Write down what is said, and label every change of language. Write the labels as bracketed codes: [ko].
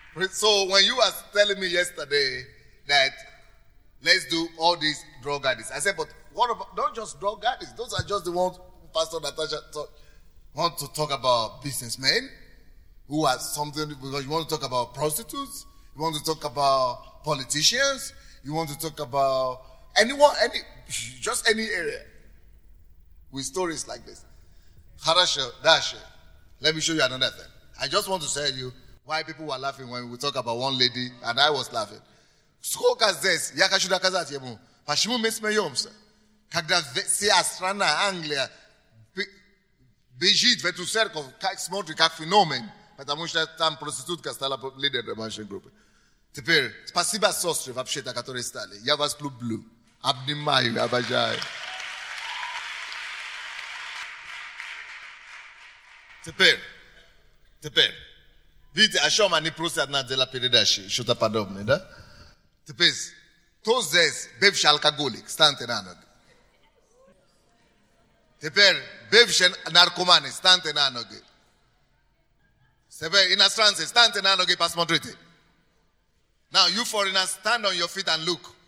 [en] So when you were telling me yesterday that let's do all these drug addicts, I said, but what about, not just drug addicts, those are just the ones Pastor Natasha want to talk about, businessmen who have something, because you want to talk about prostitutes, you want to talk about politicians, you want to talk about anyone, any, just any area. With stories like this. [ru] Хорошо, дальше. [en] Let me show you another thing. I just want to tell you why people were laughing when we talk about one lady and I was laughing. [ru] Сколько здесь, я хочу доказать ему, почему мы смеемся, когда вся страна Англия бежит в эту церковь, как смотрит, как феномен, потому что там проститутка стала лидером домашней группы. Теперь, спасибо сестре вообще-то, которые стали. Я вас люблю. Обнимаю, обожаю. Теперь, видите, о чем они просят на дела передачи, что-то подобное, да? Теперь, кто здесь бывший алкоголик, встаньте на ноги. Теперь, бывший наркоман, встаньте на ноги. Теперь, иностранцы, встаньте на ноги, посмотрите. [en] Now, you foreigners, stand on your feet and look.